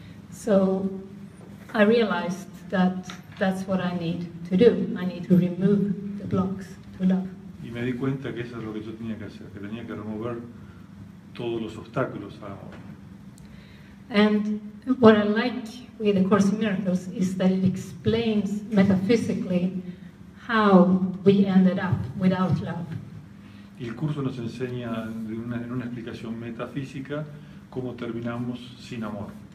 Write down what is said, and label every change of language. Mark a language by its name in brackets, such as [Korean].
[English] So I realized that that's what I need to do. I need to remove the blocks to love. [Spanish] Y me di cuenta que eso es lo que yo tenía que hacer, que tenía que remover todos los obstáculos al amor. [English] And what I like with the Course in Miracles is that it explains metaphysically how we ended up without love. [Spanish] Y el curso nos enseña en una explicación metafísica cómo terminamos sin amor.